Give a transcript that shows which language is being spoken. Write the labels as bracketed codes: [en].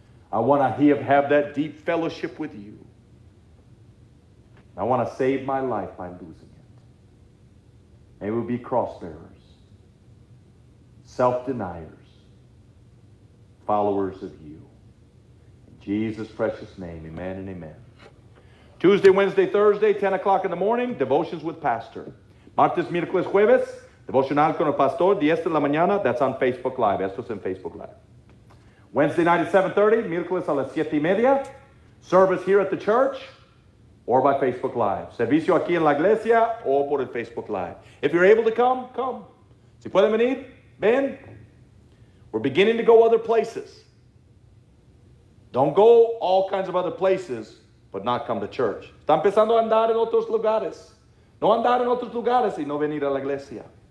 [en] I want to have that deep fellowship with you. I want to save my life by losing it. May we be cross-bearers, self-deniers, followers of you. In Jesus' precious name, amen and amen. Tuesday, Wednesday, Thursday, 10 o'clock in the morning, devotions with Pastor. [es] Martes, miércoles, jueves, devocional con el pastor, 10 de la mañana. [en] That's on Facebook Live. [es] Esto es en Facebook Live. [en] Wednesday night at 7:30, [es] miércoles a las 7 y media. [en] Service here at the church or by Facebook Live. [es] Servicio aquí en la iglesia o por el Facebook Live. [en] If you're able to come, come. [es] Si pueden venir, ven. [en] We're beginning to go other places. Don't go all kinds of other places, but not come to church. [es] Está empezando a andar en otros lugares. No andar en otros lugares y no venir a la iglesia.